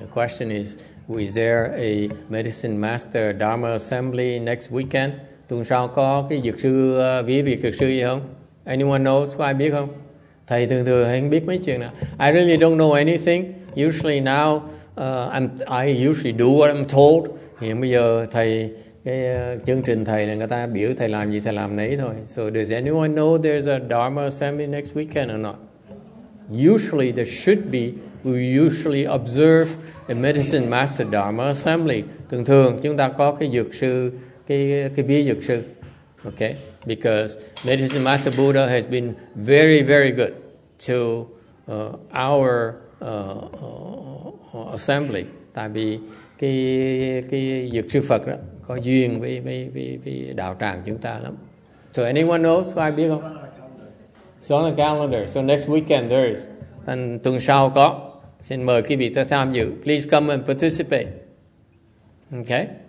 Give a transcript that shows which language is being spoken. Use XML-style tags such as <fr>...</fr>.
<en>Question is there a medicine master Dharma assembly next weekend?</en> <vi>Tuần sau có cái dược sư viết dược sư gì không?</vi> <en>Anyone knows?</en> <vi>Có ai biết không? Thầy thường thường hay biết mấy chuyện nào.</vi> <en>I really don't know anything. Usually now I usually do what I'm told.</en> <vi>Hiện bây giờ thầy cái chương trình thầy là người ta biểu thầy làm gì thầy làm nấy thôi.</vi> <en>So does anyone know there's a Dharma assembly next weekend or not? Usually there should be. We usually observe a medicine master Dharma assembly.</en> <vi>Thường thường chúng ta có cái dược sư, cái vía dược sư. Okay?</vi> <en>Because medicine master Buddha has been very, very good to our assembly.</en> <vi>Tại vì cái dược sư Phật đó có duyên với đạo tràng chúng ta lắm.</vi> <en>So anyone knows?</en> <vi>Có ai biết không?</vi> <en>It's on the calendar. So next weekend there is.</en> <vi>Tuần sau có. Xin mời quý vị tới tham dự.</vi> <en>Please come and participate. Okay.</en>